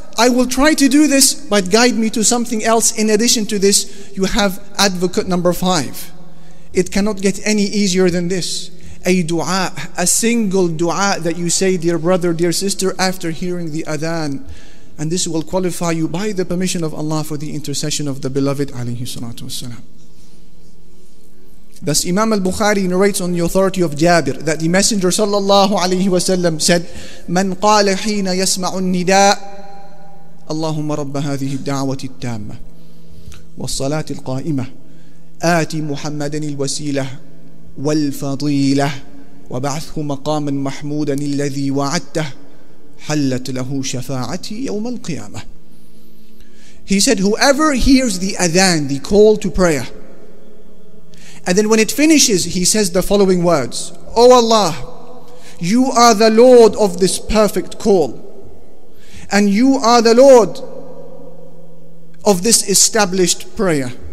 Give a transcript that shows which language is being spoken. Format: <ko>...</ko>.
<en>I will try to do this, but guide me to something else. In addition to this, you have advocate number 5. It cannot get any easier than this. A dua, a single dua that you say, dear brother, dear sister, after hearing the adhan. And this will qualify you by the permission of Allah for the intercession of the beloved alayhi salatu wasalam. Thus Imam al-Bukhari narrates on the authority of Jabir that the Messenger sallallahu alayhi wasallam said,</en> <ar>من قال حين يسمع النداء اللهم رب هذه الدعوة التامة والصلاة القائمة آتي محمدًا الوسيلة والفضيلة وبعثه مقامًا محمودًا الذي وعدته حلت له شفاعتي يوم القيامة.</ar> <en>He said, whoever hears the adhan, the call to prayer, and then when it finishes, he says the following words, O Allah, you are the Lord of this perfect call, and you are the Lord of this established prayer.</en>